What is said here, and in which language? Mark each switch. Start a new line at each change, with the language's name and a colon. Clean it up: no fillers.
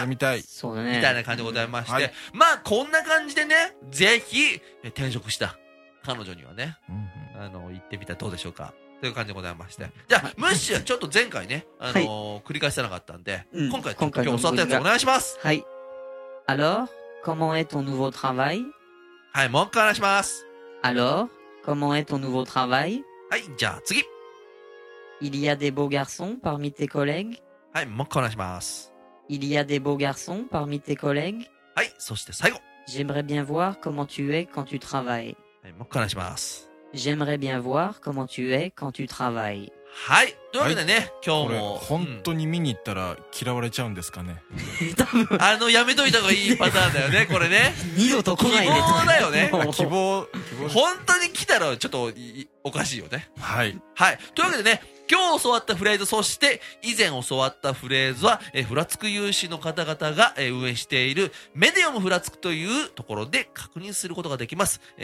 Japanese: 見てみたいそうだねみたいな感じでございまして、うんはい、まあこんな感じでねぜひ転職した彼女にはね、うん、行ってみたらどうでしょうかという感じでございましてじゃあムッシュはちょっと前回ね繰り返してなかったんで、うん、今回今日教わったやつお願いしますはい
French: Alors comment est ton nouveau travail
Japanese: はいもう一回お願いします
French: Alors comment est ton nouveau travail
Japanese: はいじゃあ次
French: Il y a des beaux garçons parmi tes collègues
Japanese: はい、もう一回お願いします。
French: Il y a des beaux garçons parmi tes collègues.
Japanese: はい、そして最後。
French: J'aimerais bien voir comment tu es quand tu travailles.
Japanese: はい、もう一回お願いします。
French: J'aimerais bien voir comment tu es quand tu travailles.
Japanese: はい、というわけでね、はい、今日も。これ本当に見に行ったら嫌われちゃうんですかね。多分。やめといた方がいいパターンだよね、これね。二度と来ないね。希望だよね。希望。本当に来たらちょっとおかしいよね。はい。はい、というわけでね、今日教わったフレーズ、そして以前教わったフレーズは、ふらつく有志の方々が、運営しているメディアムふらつくというところで確認することができます。